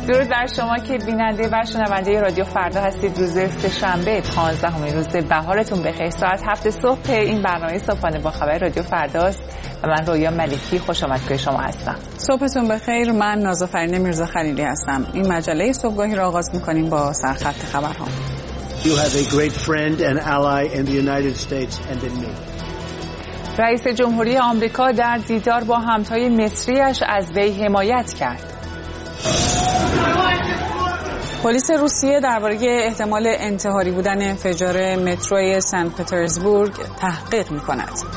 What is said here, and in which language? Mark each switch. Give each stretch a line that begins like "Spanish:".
Persian: بر شما که بیننده و شنونده رادیو فردا هستید. روز سه‌شنبه 15 روز بهارتون بخیر. ساعت 7 صبح این برنامه صبحانه با خبر رادیو فرداست و من رویا ملکی خوش آمدگوی شما هستم. صبحتون بخیر. من نازآفرین میرزا خلیلی هستم. این مجله صبحگاهی را آغاز می‌کنیم با سرخط خبرها.
English: You have a great friend and ally in the United States and in me.
Persian: رئیس جمهوری آمریکا در دیدار با همتای مصریش از وی حمایت کرد. پلیس روسیه درباره احتمال انتحاری بودن انفجار متروی سن پترزبورگ تحقیق می‌کند.